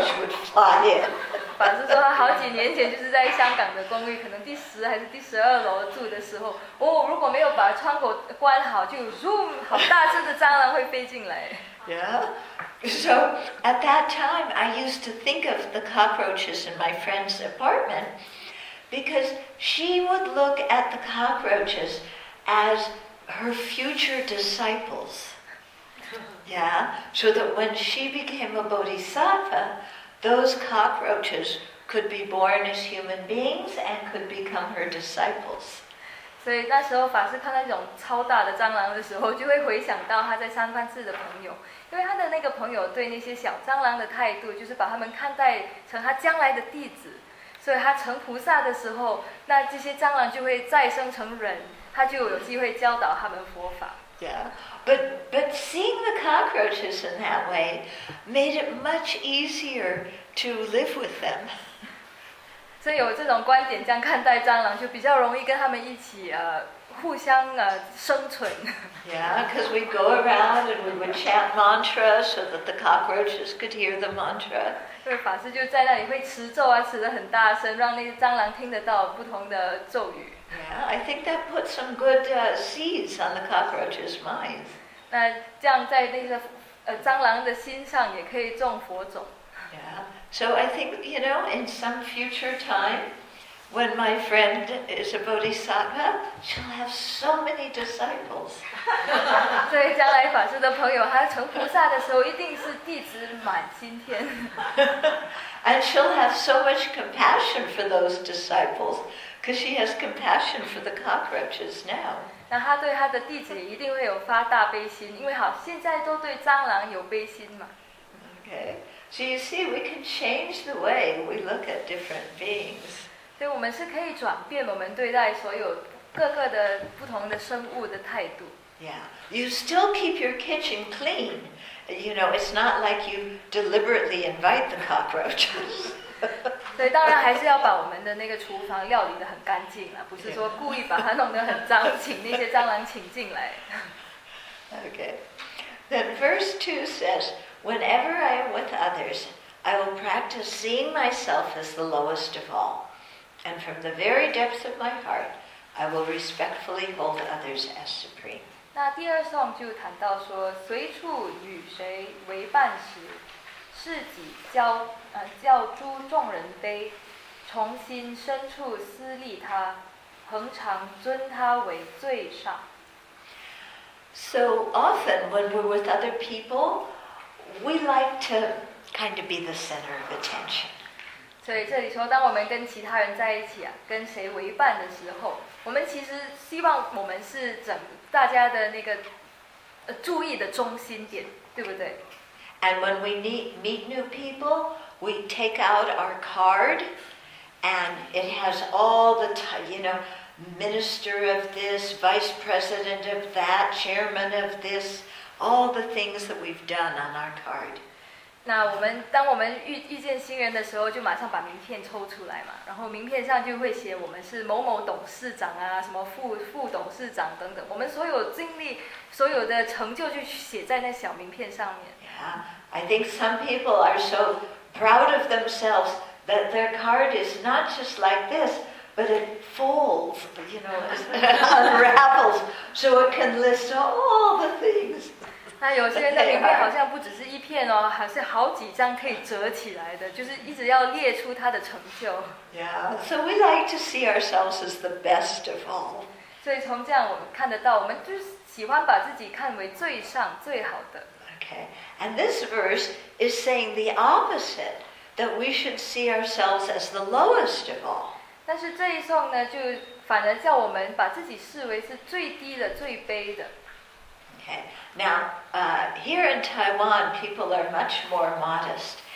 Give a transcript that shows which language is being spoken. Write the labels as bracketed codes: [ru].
[zh] 法师说他好几年前就是在香港的公寓，可能第十还是第十二楼住的时候，哦，如果没有把窗口关好，就 zoom， 好大只的蟑螂会飞进来。 [en] Yeah. So at that time, I used to think of the cockroaches in my friend's apartment because she would look at the cockroaches as her future disciples. Yeah, so that when she became a bodhisattva, those cockroaches could be born as human beings and could become her disciples. [zh] 所以那时候法师看到那种超大的蟑螂的时候，就会回想到他在三藩市的朋友，因为他的那个朋友对那些小蟑螂的态度，就是把他们看待成他将来的弟子。所以他成菩萨的时候，那这些蟑螂就会再生成人，他就有机会教导他们佛法。 [en] Yeah, but seeing the cockroaches in that way made it much easier to live with them. [zh] 所以有这种观点这样看待蟑螂，就比较容易跟他们一起互相生存。 [en] Yeah, because we'd go around and we would chant mantra so that the cockroaches could hear the mantra. [zh] 所以法师就在那里会持咒啊，持得很大声，让那些蟑螂听得到不同的咒语。 [en] Yeah, I think that put some good seeds on the cockroaches' minds. [zh] 那这样在那个蟑螂的心上也可以种佛种。 [en] Yeah, so I think you know, in some future time, when my friend is a bodhisattva, she'll have so many disciples. [zh] 所以将来法师的朋友他成菩萨的时候，一定是弟子满心田。 [en] And she'll have so much compassion for those disciples. Because she has compassion for the cockroaches now. [zh] 那他对他的弟子一定会有发大悲心，因为好，现在都对蟑螂有悲心嘛。 [en] Okay, so you see, we can change the way we look at different beings. [zh] 所以我们是可以转变我们对待所有各个的不同的生物的态度。 [en] Yeah, you still keep your kitchen clean. You know, it's not like you deliberately invite the cockroaches. [zh] 所以当然还是要把我们的那个厨房料理得很干净了，不是说故意把它弄得很脏，请那些蟑螂请进来。 [en] Okay. Then verse 2 says, whenever I am with others, I will practice seeing myself as the lowest of all. And from the very depths of my heart, I will respectfully hold others as supreme. [zh] 那第二颂就谈到说，随处与谁为伴时，是己教诸众人卑，重新深处思利他，恒常尊他为最上。 [en] So often when we're with other people, we like to kind of be the center of attention. [zh] 所以这里说，当我们跟其他人在一起啊，跟谁为伴的时候，我们其实希望我们是整大家的那个注意的中心点，对不对？ [en] And when we meet new people, we take out our card, and it has all the minister of this, vice president of that, chairman of this, all the things that we've done on our card. [zh] 那我们当我们遇见新人的时候，就马上把名片抽出来嘛，然后名片上就会写我们是某某董事长啊，什么副董事长等等，我们所有经历、所有的成就就写在那小名片上面。 [en] Yeah, I think some people are so proud of themselves that their card is not just like this. But it folds, unravels, so it can list all the things. [zh] 那有些人的名片好像不只是一片哦，还是好几张可以折起来的，就是一直要列出他的成就。 [en] Yeah, so we like to see ourselves as the best of all. [zh] 所以从这样我们看得到，我们就是喜欢把自己看为最上最好的。 [en] Okay, and this verse is saying the opposite, that we should see ourselves as the lowest of all. [zh] 但是这一颂呢，就反而叫我们把自己视为是最低的、最卑的。 [en] Okay, now, here in Taiwan, people are much more modest.